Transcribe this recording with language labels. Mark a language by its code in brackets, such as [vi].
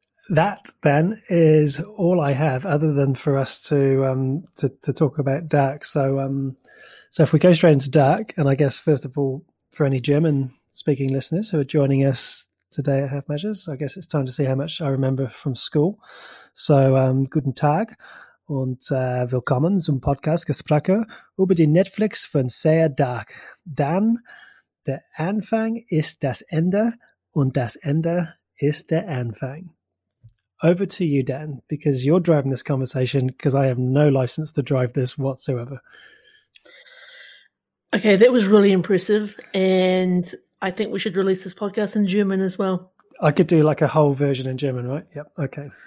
[en] That then is all I have other than for us to talk about Dark. So if we go straight into Dark, and I guess first of all, for any German speaking listeners who are joining us today at Half Measures, I guess it's time to see how much I remember from school. [de] So guten Tag. Und willkommen zum Podcast Gespräche über die Netflix von Sehr Dark. Dann, der Anfang ist das Ende und das Ende ist der Anfang. [en] Over to you, Dan, because you're driving this conversation because I have no license to drive this whatsoever. Okay, that was really impressive. And I think we should release this podcast in German as well. I could do like a whole version in German, right? Yep. Okay.